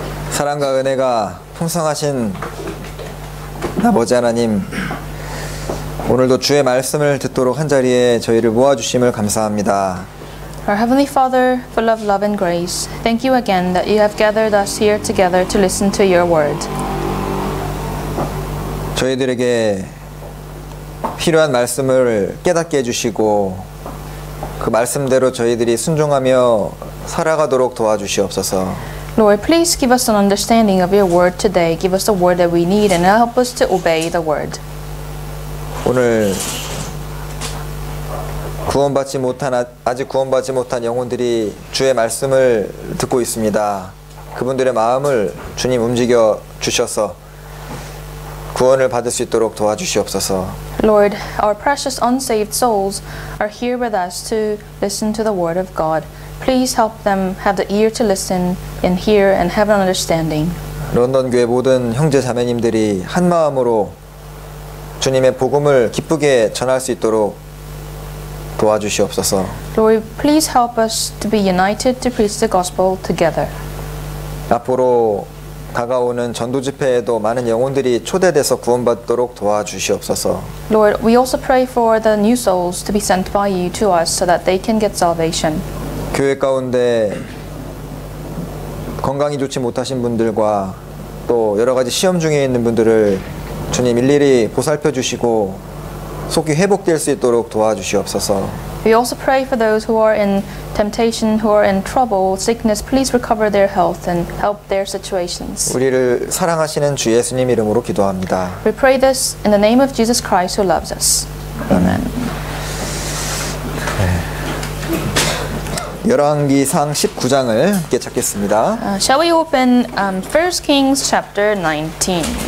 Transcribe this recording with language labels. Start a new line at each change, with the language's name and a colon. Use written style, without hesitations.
Korean: 사랑과 은혜가 풍성하신 아버지 하나님, 오늘도 주의 말씀을 듣도록 한 자리에 저희를 모아 주심을 감사합니다.
English: Our Heavenly Father, full of love and grace, thank you again that you have gathered us here together to listen to your word.
Korean: 저희들에게 필요한 말씀을 깨닫게 해주시고 그 말씀대로 저희들이 순종하며 살아가도록 도와주시옵소서.
English: Lord, please give us an understanding of your word today. Give us the word that we need and help us to obey the word.
Korean: 오늘 구원받지 못한 아직 구원받지 못한 영혼들이 주의 말씀을 듣고 있습니다. 그분들의 마음을 주님 움직여 주셔서 구원을 받을 수 있도록 도와주시옵소서.
English: Lord, our precious unsaved souls are here with us to listen to the word of God. Please help them have the ear to listen and hear and have an understanding.
Korean: 런던 교회 모든 형제 자매님들이 한 마음으로 주님의 복음을 기쁘게 전할 수 있도록 도와주시옵소서.
English: Lord, please help us to be united to preach the gospel together.
Korean: 앞으로 다가오는 전도 집회에도 많은 영혼들이 초대돼서 구원받도록 도와주시옵소서.
English: Lord, we also pray for the new souls to be sent by you to us so that they can get salvation.
Korean: 교회 가운데 건강이 좋지 못하신 분들과 또 여러 가지 시험 중에 있는 분들을 주님 일일이 보살펴 주시고 속히 회복될 수 있도록 도와주시옵소서.
English: We also pray for those who are in temptation, who are in trouble, sickness. Please recover their health and help their situations.
Korean: 우리를 사랑하시는 주 예수님 이름으로 기도합니다.
English: We pray this in the name of Jesus Christ who loves us. Amen.
Korean: 열왕기상 19장을 함께 찾겠습니다.
English: Shall we open 1 Kings chapter 19?